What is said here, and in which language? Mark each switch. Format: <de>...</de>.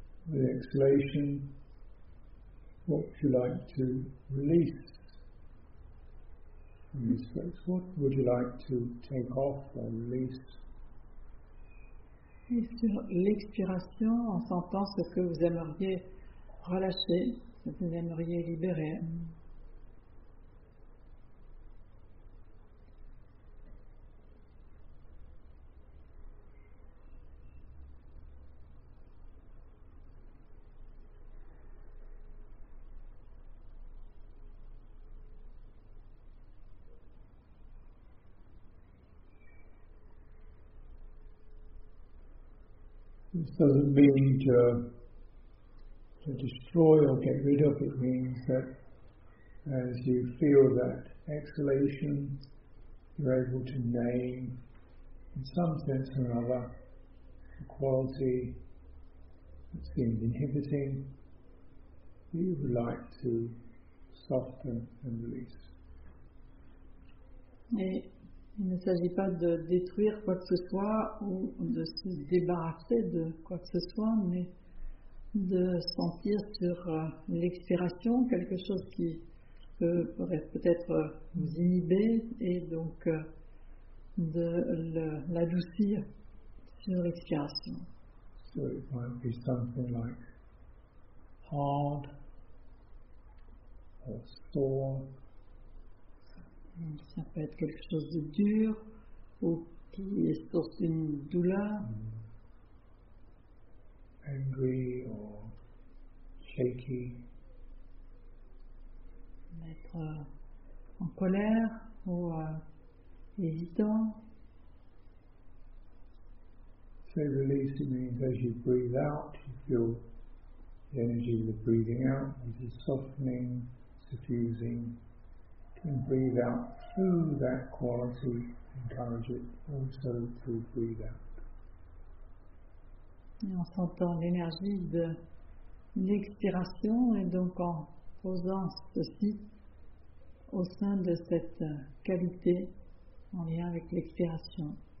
<en>The exhalation, what would you like to release from this place? What would you like to take off or release?</en> <fr>Et sur l'expiration, en sentant ce que vous aimeriez relâcher, ce que vous aimeriez libérer.</fr> <en>This doesn't mean to destroy or get rid of, it means that as you feel that exhalation, you're able to name, in some sense or another, the quality that seems inhibiting, you would like to soften and release. Yeah.</en> <fr>Il ne s'agit pas de détruire quoi que ce soit ou de se débarrasser de quoi que ce soit, mais de sentir sur l'expiration quelque chose qui pourrait peut-être vous inhiber et donc de l'adoucir sur l'expiration.</fr> <en>So it might be something like hard or sore.</en> <fr>Ça peut être quelque chose de dur ou qui est source d'une douleur.</fr> <en>Angry or shaky.</en> <fr>Être en colère ou hésitant.</fr> <en>So release means as you breathe out, you feel the energy of the breathing out, which is softening, suffusing. Can breathe out through that quality encourage it also to breathe out.</en> <fr>Et en sentant l'énergie de l'expiration et donc en posant ceci au sein de cette qualité en lien avec l'expiration.</fr>